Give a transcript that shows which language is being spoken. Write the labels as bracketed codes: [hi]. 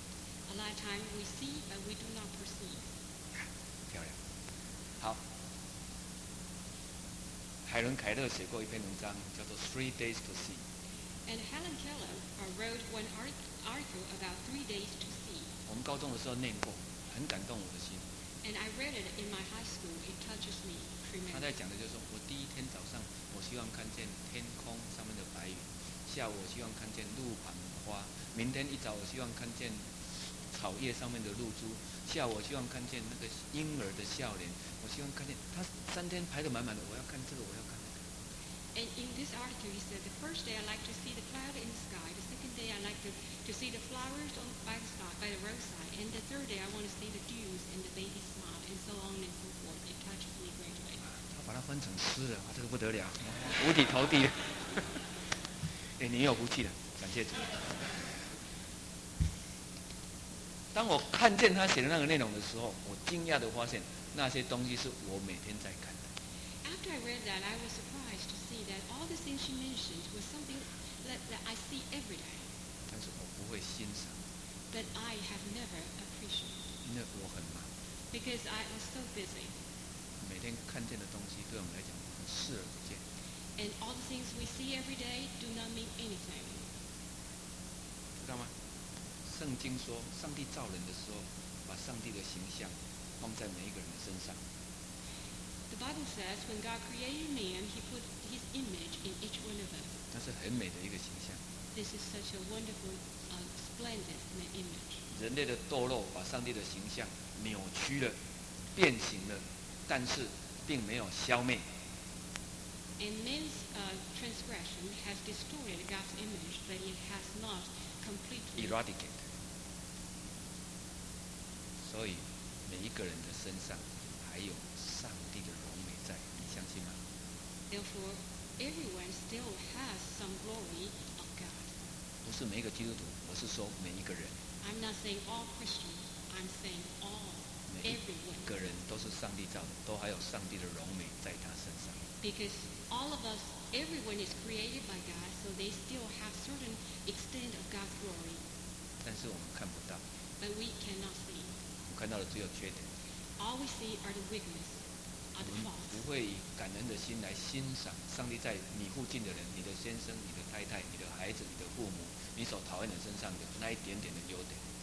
[en] A lot of time we see, but we do not perceive. [zh] 漂亮，好。海伦·凯勒写过一篇文章，叫做《Three Days to See》。 [en] And Helen Keller wrote one article about Three Days to See。 [zh] 我们高中的时候念过，很感动我的心。 [en] And I read it in my high school. It touches me tremendously。 [zh] 他在讲的就是说，我第一天早上，我希望看见天空上面的白云；下午，我希望看见路旁的花；明天一早，我希望看见草叶上面的露珠；下午，我希望看见那个婴儿的笑脸。我希望看见他三天排得满满的，我要看这个，我要看那个。 [en] And in this article, he said, the first day I like to see the cloud in the sky. The second day I like to see the flowers on by the spot by the roadside. And the third day I want to see the dews and the baby smile and so on and so forth. It touches me greatly. [zh] 他把它分成诗了，这个不得了，五体投地了。哎，你有福气了，感谢主。当我看见他写的那个内容的时候，我惊讶地发现那些东西是我每天在看的。 [en] After I read that, I was surprised to see that all the things she mentioned were something that I see every day. [zh] 但是我不会欣赏。 [en] But I have never appreciated. [zh] 因为我很忙。 [en] Because I was so busy. [zh] 每天看见的东西对我们来讲很视而不见。 [en] And all the things we see every day do not mean anything. [zh] 知道吗？圣经说，上帝造人的时候，把上帝的形象放在每一个人的身上。 [en] The Bible says, when God created man, He put His image in each one of us. [zh] 那是很美的一个形象。 [en] This is such a wonderful, splendid image. [zh] 人类的堕落把上帝的形象扭曲了、变形了，但是并没有消灭。 [en] And man's transgression has distorted God's image, but it has not completely eradicated. [zh] 所以每一个人的身上还有上帝的荣美在，你相信吗？ [en] Therefore, everyone still has some glory of God. [zh] 不是每一个基督徒，我是说每一个人。 [en] I'm not saying all Christians. I'm saying all everyone. [zh] 每一个人都是上帝造的，都还有上帝的荣美在他身上。 [en] Because all of us, everyone is created by God, so they still have certain extent of God's glory. [zh] 但是我们看不到。 [en] But we cannot see. [zh] 看到的只有缺点。 [en] All we see are the weakness, are the faults. [zh] 不会以感恩的心来欣赏上帝在你附近的人，你的先生、你的太太、你的孩子、你的父母，你所讨厌的身上的那一点点的优点。